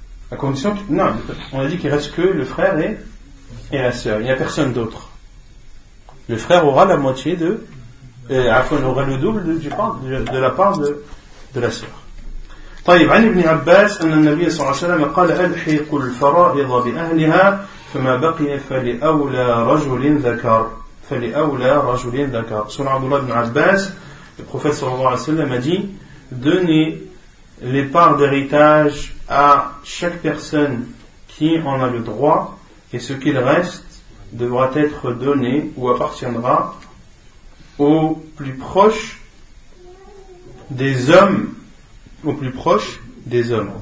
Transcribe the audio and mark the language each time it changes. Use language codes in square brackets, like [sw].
[fr] À condition que, non, on a dit qu'il reste que le frère et la sœur. Il n'y a personne d'autre. Le frère aura la moitié de... Afon aura le double de la part de la sœur. [ar] طيب عن ابن عباس أن النبي صلى الله عليه وسلم قال ألحق الفرائض بأهلها فما بقي فلأولى رجل ذكر فلأولى رجل ذكر. سنة عبد الله بن عباس البروفيت صلى الله عليه وسلم [fr] dit donnez les parts d'héritage à chaque personne qui en a le droit, et ce qu'il reste devra être donné ou appartiendra au plus proche des hommes, au plus proche des hommes.